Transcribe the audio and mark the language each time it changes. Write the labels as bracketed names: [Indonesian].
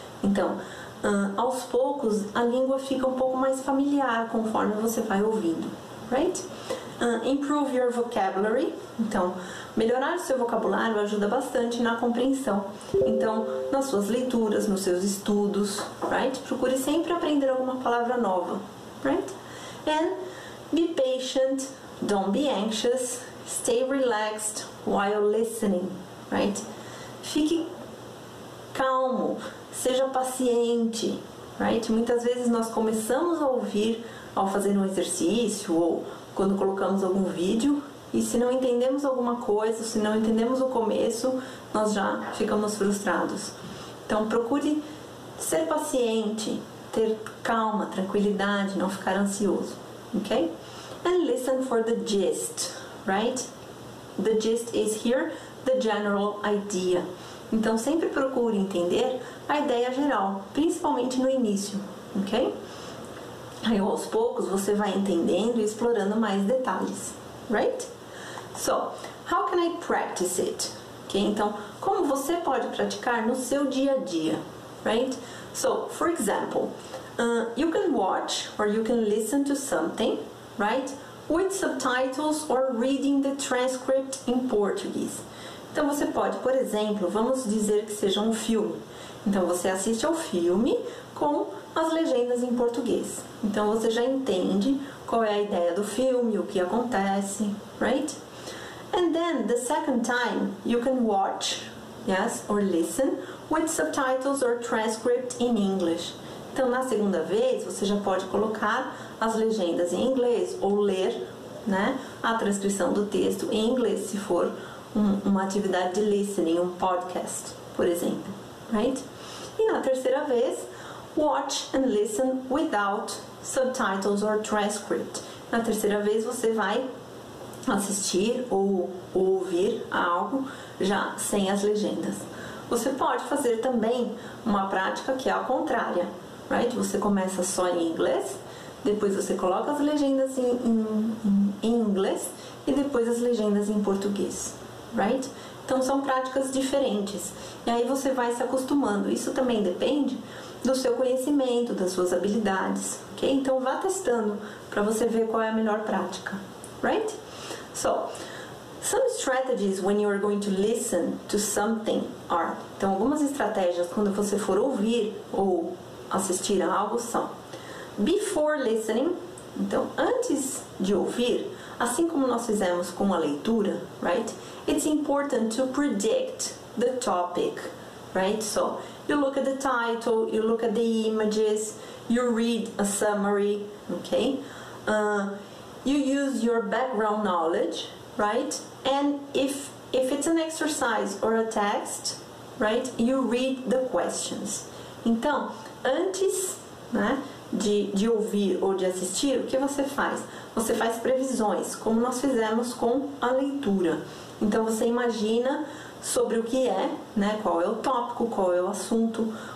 [Portuguese] Então, aos poucos, a língua fica um pouco mais familiar conforme você vai ouvindo, right? [English] Improve your vocabulary. [Portuguese] Então, melhorar o seu vocabulário ajuda bastante na compreensão. Então, nas suas leituras, nos seus estudos, right? Procure sempre aprender alguma palavra nova, right? [English] And be patient, don't be anxious, stay relaxed while listening, right? [Portuguese] Fique calmo, seja paciente, right? Muitas vezes nós começamos a ouvir ao fazer um exercício ou quando colocamos algum vídeo, e se não entendemos alguma coisa, se não entendemos o começo, nós já ficamos frustrados. Então, procure ser paciente, ter calma, tranquilidade, não ficar ansioso, ok? [English] And listen for the gist, right? The gist is here, the general idea. [Portuguese] Então, sempre procure entender a ideia geral, principalmente no início, ok? Aí, aos poucos, você vai entendendo e explorando mais detalhes, right? [English] So, how can I practice it? Okay, [Portuguese] então, como você pode praticar no seu dia a dia, right? [English] So, for example, you can watch or you can listen to something, right? With subtitles or reading the transcript in Portuguese. [Portuguese] Então, você pode, por exemplo, vamos dizer que seja um filme. Então, você assiste ao filme com as legendas em português. Então, você já entende qual é a ideia do filme, o que acontece, right? [English] And then, the second time, you can watch, yes, or listen with subtitles or transcript in English. [Portuguese] Então, na segunda vez, você já pode colocar as legendas em inglês ou ler, né, a transcrição do texto em inglês, se for uma atividade de listening, um podcast, por exemplo, right? E na terceira vez, [English] watch and listen without subtitles or transcript. [Portuguese] Na terceira vez, você vai assistir ou ouvir algo já sem as legendas. Você pode fazer também uma prática que é a contrária, right? Você começa só em inglês, depois você coloca as legendas em inglês e depois as legendas em português, right? Então, são práticas diferentes e aí você vai se acostumando. Isso também depende do seu conhecimento, das suas habilidades, ok? Então, vá testando para você ver qual é a melhor prática, right? [English] So, some strategies when you are going to listen to something are... [Portuguese] Então, algumas estratégias quando você for ouvir ou assistir a algo são... [English] Before listening, [Portuguese] então, antes de ouvir, assim como nós fizemos com a leitura, right? [English] It's important to predict the topic, right? So, you look at the title, you look at the images, you read a summary, okay? You use your background knowledge, right? And if it's an exercise or a text, right? You read the questions. [Portuguese] Então, antes, né, de ouvir ou de assistir, o que você faz? Você faz previsões, como nós fizemos com a leitura. Então, você imagina sobre o que é, né, qual é o tópico, qual é o assunto,